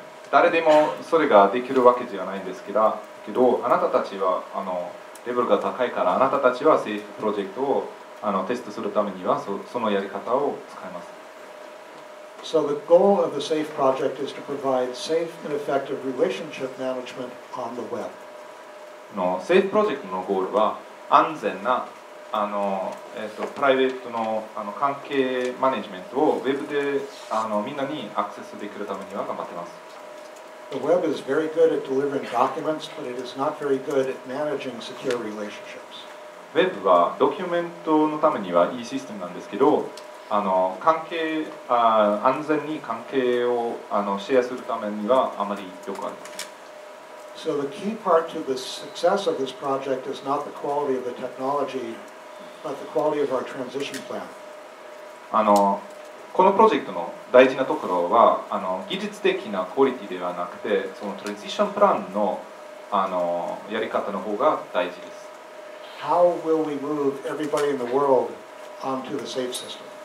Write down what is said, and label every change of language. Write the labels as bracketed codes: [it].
[ja] 誰でもそれができるわけじゃないんですけど、あなたたちはレベルが高いから、あなたたちはSeif Projectをテストするためには、そのやり方を使います。 [en] So the goal of the Seif Project is to provide safe and effective relationship management on the web. [ja] Seif Projectのゴールは、安全なプライベート の, 関係マネジメントをウェブでみんなにアクセスできるためには頑張ってます。 [en] The web is very good at delivering documents, but it is not very good at managing secure relationships. [ja] ウェブはドキュメントのためにはいいシステムなんですけど、関係、安全に関係をシェアするためにはあまり良くありません。 [en] So the key part to the success of this project is not the quality of the technology, but the quality of our transition plan. [ja] このプロジェクトの大事なところは、技術的なクオリティではなくて、そのトランジションプランの、やり方の方が大事です。 [en] How will we move everybody in the world onto the safe system?